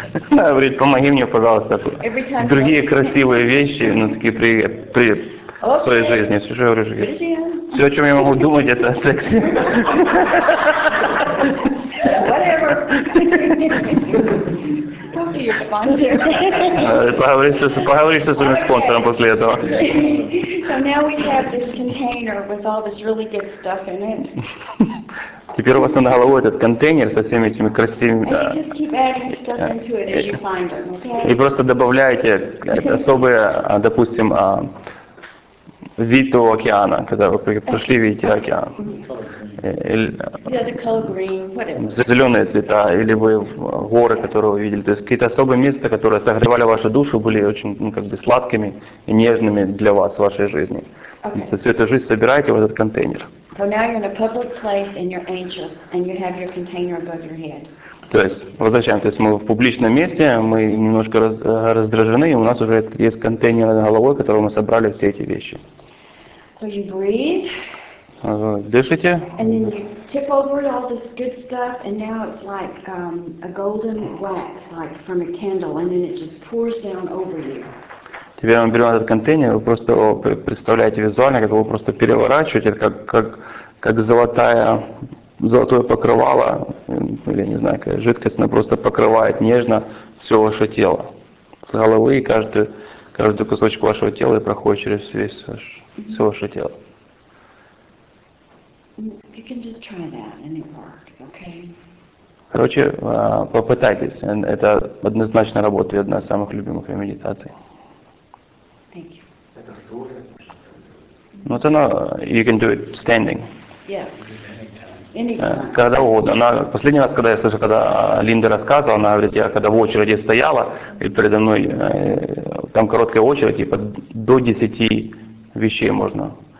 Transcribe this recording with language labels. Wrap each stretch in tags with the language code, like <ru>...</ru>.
<ru>Говорит, помоги мне, пожалуйста. Другие красивые вещи, но такие при своей жизни. Все, что я говорю, жизнь. Все, о чем я могу думать, это о сексе.</ru> <en>Whatever.</en> <ru>Поговоришь со своим спонсором после этого.</ru> <en>So now we have this container with all this really good stuff in it.</en> <ru>Теперь у вас на голову этот контейнер со всеми этими красивыми.</ru> <en>And you just keep adding stuff into it as you find them, okay?</en> <ru>И просто добавляете особые, допустим, Виду океана, когда вы пришли, видите океан.</ru> <en>Yeah, the color green, whatever.</en> <ru>Зеленые цвета, или вы горы, которые вы видели. То есть какие-то особые места, которые согревали вашу душу, были очень, ну, как бы сладкими и нежными для вас в вашей жизни.</ru> <en>Okay.</en> <ru>За всю эту жизнь собираете в этот контейнер.</ru> <en>So now you're in a public place and you're anxious and you have your container above your head.</en> <ru>То есть, возвращаем, то есть мы в публичном месте, мы немножко раздражены, и у нас уже есть контейнер над головой, в котором мы собрали все эти вещи.</ru> <en>So you breathe.</en> <ru>Дышите.</ru> <en>And then you tip over all this good stuff, and now it's like a golden wax, like from a candle, and then it just pours down over you.</en> <ru>Теперь мы берем этот контейнер, вы просто представляете визуально, как его просто переворачиваете, как золотая... Золотое покрывало, или не знаю, какая жидкость, она просто покрывает нежно все ваше тело. С головы и каждый кусочек вашего тела и проходит через все ваше тело.</ru> <en>You can just try that and it works, okay?</en> <ru>Короче, попытайтесь. Это однозначно работает, одна из самых любимых медитаций.</ru> <en>Thank you.</en> <ru>Ну, это на...</ru> <en>You can do it standing. Yeah.</en> <ru>Когда угодно. Она, последний раз, когда я слышал, когда Линда рассказывала, она говорит, я когда в очереди стояла, и передо мной там короткая очередь, типа до 10 вещей можно.</ru>